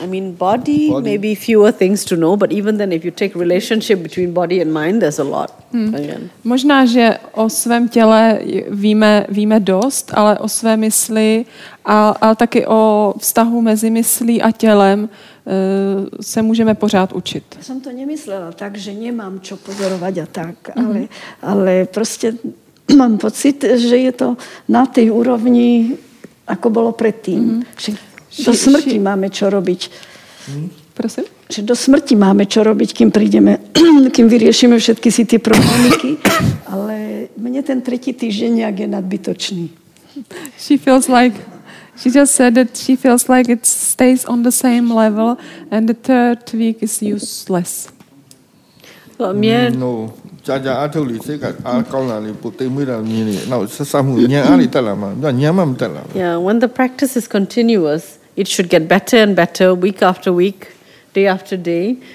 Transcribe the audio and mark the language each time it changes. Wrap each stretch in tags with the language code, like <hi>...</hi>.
<en>I mean, body, maybe fewer things to know, but even then, if you take relationship between body and mind, there's a lot.</en> <cs>Možná, že o svém těle víme dost, ale o své mysli a taky o vztahu mezi myslí a tělem se můžeme pořád učit. Já jsem to nemyslela tak, že nemám čo pozorovat a tak, ale prostě mám pocit, že je to na té úrovni, jako bylo předtím.</cs> <sk>Do smrti máme čo robiť.</sk> <cs>Prosím?</cs> <sk>Že do smrti máme čo robiť, kým prídeme, kým vyriešime všetky si tie problémy. Ale mne ten tretí týždeň nejak je nadbytočný.</sk> <en>She feels like, she just said that she feels like it stays on the same level and the third week is useless. No. When the practice is continuous, it should get better and better week after week, day after day.</en>